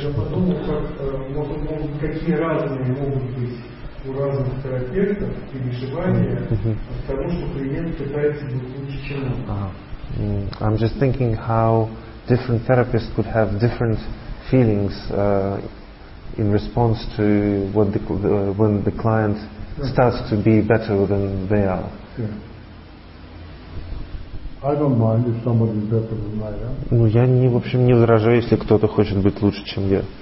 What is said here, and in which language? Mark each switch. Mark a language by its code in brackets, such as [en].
[ru] Я подумал, как может какие разные могут быть у разных терапевтов и вышивания от того, что клиент пытается быть лучше, чем он. [en] I'm just thinking how different therapists could have different feelings in response to what when the client starts to be better than they are. Yeah. I don't mind if somebody is better than I am. [ru] Ну я не, в общем, не возражаю, если кто-то хочет быть лучше, чем я.